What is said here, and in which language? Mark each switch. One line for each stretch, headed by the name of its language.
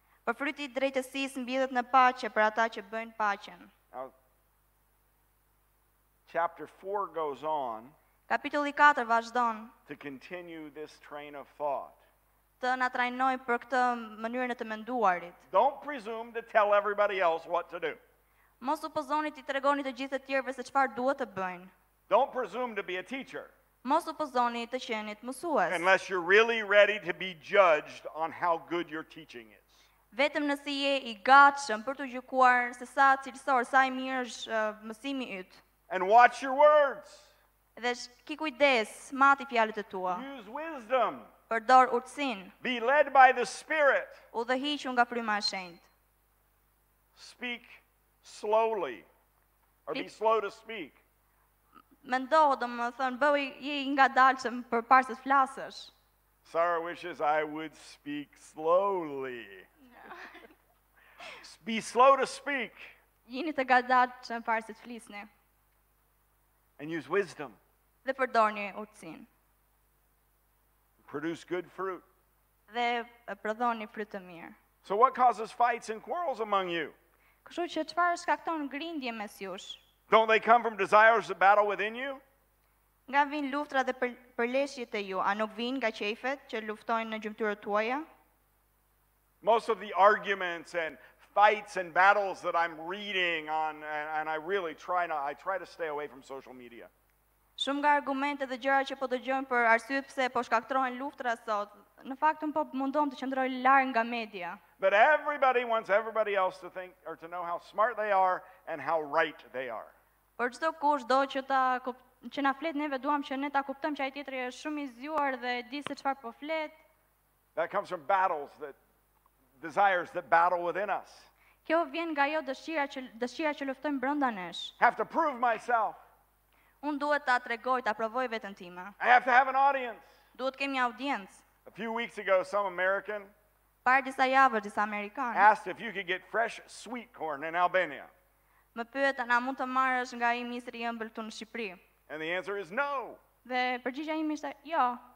Albanian: Për fryti I drejtësisë mbjellet në paqe për ata që bëjnë paqen.
English: Chapter 4 goes on.
Albanian: Kapitulli 4 vazhdon.
English: To continue this train of thought.
Albanian: të na trajnoj për këtë mënyrën e të menduarit.
English: Don't presume to tell everybody else what to do.
Albanian: Mos supozoni ti tregoni të gjithë të tjerëve se çfarë duhet të bëjnë.
English: Don't presume to be a teacher.
Albanian: Mos supozoni të qeni mësues.
English: Unless you're really ready to be judged on how good your teaching is.
Albanian: Vetëm nëse je I gatshëm për të gjykuar se sa cilësor, sa I mirë është mësimi yt.
English: And watch your words.
Albanian: Dhe ki kujdes, mati fjalët e tua.
English: Use wisdom.
Albanian: Përdor urtësinë.
English: Be led by the Spirit.
Albanian: Udhëhiqu nga fryma e shenjtë.
English: Speak slowly. Or be slow to speak.
Albanian: Mendo, domethënë, bëu je I ngadalshëm përpara se të flasësh.
English: Sarah wishes I would speak slowly. Be slow to speak.
Albanian: Jini të gatshëm para se të flisni.
English: And use wisdom.
Albanian: Dhe përdorni urtësinë.
English: Produce good fruit.
Albanian: Dhe prodhoni frytë të mirë.
English: So what causes fights and quarrels among you?
Albanian: Kështu që çfarë shkakton grindje mes jush?
English: Don't they come from desires that battle within you?
Albanian: Nga vijnë luftra dhe përleshjet e ju, a nuk vijnë nga qefet që luftojnë në gjymtyrët tuaja?
English: Most of the arguments and fights and battles that I'm reading on and I try to stay away from social media.
Albanian: Shumë nga argumentet dhe gjërat që po dëgjojmë për arsye pse po shkaktrohen luftra sot, në fakt un po mundom të qëndroj larg nga media.
English: But everybody wants everybody else to think or to know how smart they are and how right they are.
Albanian: Por çdo kush do që ta që na flet neve duam që ne ta kuptojmë që ai tjetri është shumë I zgjuar dhe di se çfarë po flet.
English: That comes from battles that desires that battle within us.
Albanian: Kjo vjen nga ajo dëshira që luftojmë brenda nesh.
English: Have to prove myself.
Albanian: Un duhet ta tregoj, ta provoj veten time.
English: I have to have an audience.
Albanian: Duhet kemi audiencë.
English: A few weeks ago some American
Albanian: Para disa javë disa amerikanë
English: asked if you could get fresh sweet corn in Albania.
Albanian: Më pyetën a mund të marrësh nga I misri I ëmbël këtu në Shqipëri.
English: And the answer is no.
Albanian: Dhe përgjigjja ime ishte jo.